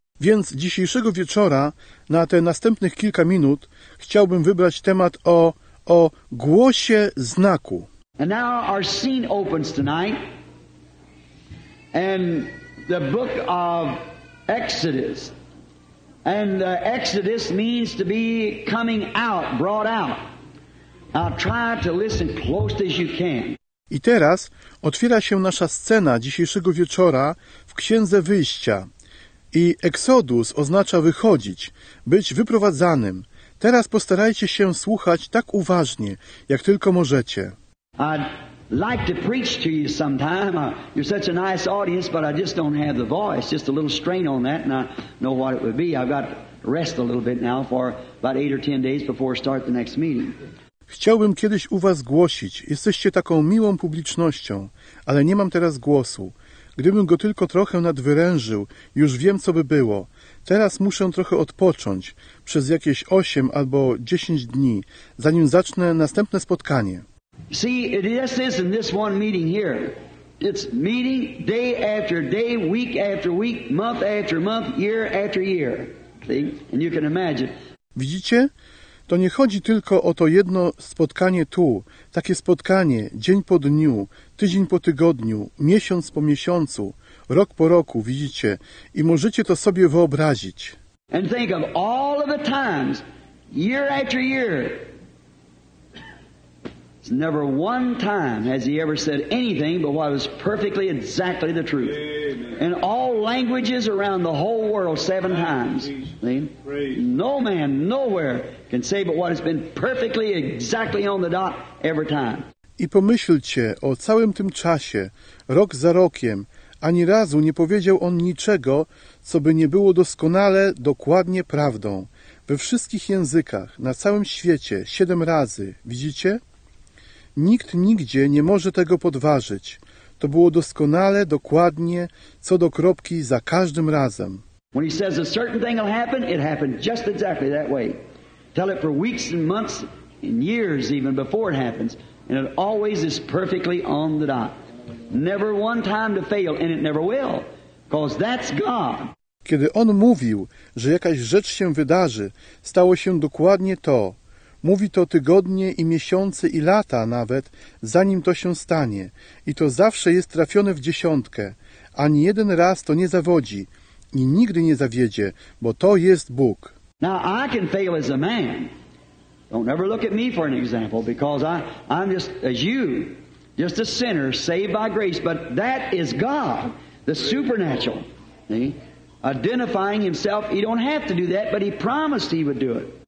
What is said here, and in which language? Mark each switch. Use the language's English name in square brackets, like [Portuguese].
[Polish] Więc dzisiejszego wieczora, na te następnych kilka minut, chciałbym wybrać temat o głosie znaku. [English] And now our scene opens tonight. And the book of Exodus. And Exodus means to be coming out, brought out. Now try to listen close as you can. [Polish] I teraz otwiera się nasza scena dzisiejszego wieczora w Księdze Wyjścia. I Exodus oznacza wychodzić, być wyprowadzanym. Teraz postarajcie się słuchać tak uważnie, jak tylko możecie. [English] I'd like to preach to you sometime. You're such a nice audience, but I just don't have the voice. Just a little strain on that, and I know what it would be. I've got to rest a little bit now for about 8 or 10 days before I start the next meeting. [Polish] Chciałbym kiedyś u was głosić. Jesteście taką miłą publicznością, ale nie mam teraz głosu. Gdybym go tylko trochę nadwyrężył, już wiem, co by było. Teraz muszę trochę odpocząć przez jakieś 8 albo 10 dni, zanim zacznę następne spotkanie. [English] See, it just isn't this one meeting here. It's meeting day after day, week after week, month after month, year after year. See? And you can imagine. [Polish] Widzicie? To nie chodzi tylko o to jedno spotkanie tu, takie spotkanie dzień po dniu, tydzień po tygodniu, miesiąc po miesiącu, rok po roku, widzicie, i możecie to sobie wyobrazić. [English] And think of all of the times, year after year, it's never one time has he ever said anything but what was perfectly exactly the truth. In all languages around the whole world, 7 times. No man, nowhere can say but what has been perfectly, exactly on the dot every time. [Polish] I pomyślcie o całym tym czasie, rok za rokiem, ani razu nie powiedział on niczego, co by nie było doskonale, dokładnie prawdą. We wszystkich językach, na całym świecie, 7 razy, widzicie? Nikt nigdzie nie może tego podważyć. To było doskonale, dokładnie, co do kropki, za każdym razem. [English] When he says a certain thing will happen, it happened just exactly that way. Tell it for weeks and months and years even before it happens, and it always is perfectly on the dot. Never one time to fail, and it never will, because that's God. [Polish] Kiedy on mówił, że jakaś rzecz się wydarzy, stało się dokładnie to. Mówi to tygodnie i miesiące i lata nawet, zanim to się stanie. I to zawsze jest trafione w 10. Ani jeden raz to nie zawodzi i nigdy nie zawiedzie, bo to jest Bóg. [English] Now I can fail as a man. Don't ever look at me for an example, because I'm just as you, just a sinner saved by grace. But that is God, the supernatural, identifying himself. He don't have to do that, but he promised he would do it.